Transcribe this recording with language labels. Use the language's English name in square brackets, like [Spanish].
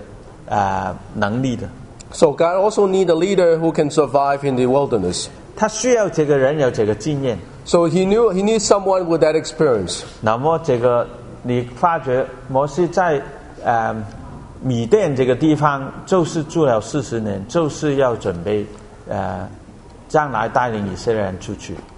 [Chinese] 还有呢,神需要一个领袖,可以能够在旷野里面生存这个能力的。So [English] God also needs a leader who can survive in the wilderness. [Chinese] 他需要这个人有这个经验。So [English] he needs someone with that experience. [Chinese] 那么这个,你发觉摩西在米甸这个地方,就是住了40年,就是要准备将来带领以色列人出去。